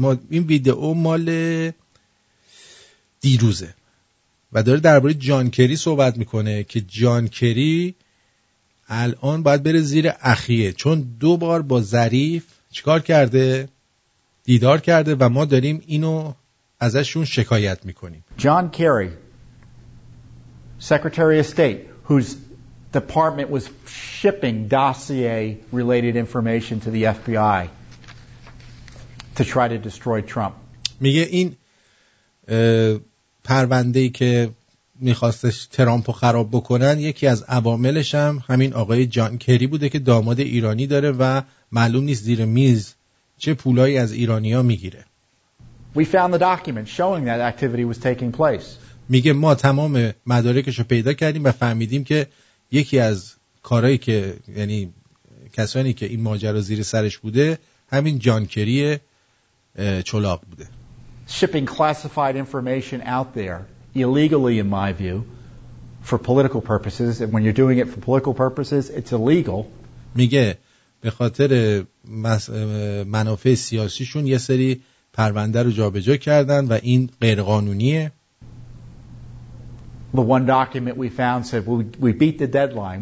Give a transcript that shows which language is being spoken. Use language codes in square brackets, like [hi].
[fa] این ویدئو مال دیروزه و داره درباره جان کری صحبت میکنه که جان کری الان باید بره زیر اخیه، چون دو بار با ظریف چیکار کرده؟ دیدار کرده و ما داریم اینو ازشون شکایت میکنیم. [en] John Kerry, Secretary of State, whose department was shipping dossier-related information to the FBI to try to destroy Trump. [fa] میگه این پرونده‌ای که میخواستش ترامپ رو خراب بکنن یکی از عواملش هم همین آقای جان کری بوده که داماد ایرانی داره و معلوم نیست زیر میز چه پولایی از ایرانی‌ها میگیره. [en] We found the document showing that activity was taking place. [fa] میگه ما تمام مدارکش رو پیدا کردیم و فهمیدیم که یکی از کارهایی که یعنی کسانی که این ماجرا زیر سرش بوده همین جان کری چولاق بوده. [en] Shipping classified information out there illegally in my view for political purposes, and when you're doing it for political purposes it's illegal. [fa] میگه به خاطر منافع سیاسیشون یه سری پرونده رو جابجا کردن و این غیرقانونیه. [en] The one document we found said we beat the deadline.